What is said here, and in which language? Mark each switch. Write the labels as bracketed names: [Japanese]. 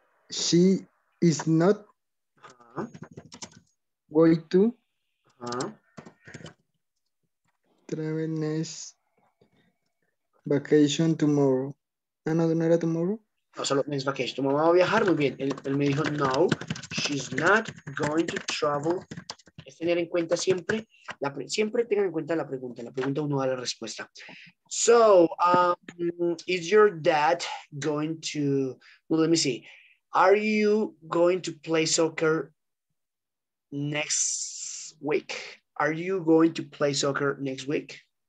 [English] She is not going to travel next vacation tomorrow. [Spanish] Ah, no, no era tomorrow. No, solo next vacation. Tu mamá va a viajar muy bien. Él me dijo, no, [English] she's not going to travel. [Spanish] Es tener en cuenta siempre, siempre tengan en cuenta la pregunta. La pregunta uno da la respuesta. [English] So, is your dad going to, well, let me see. Are you going to play soccer next week? Are you going to play soccer next week?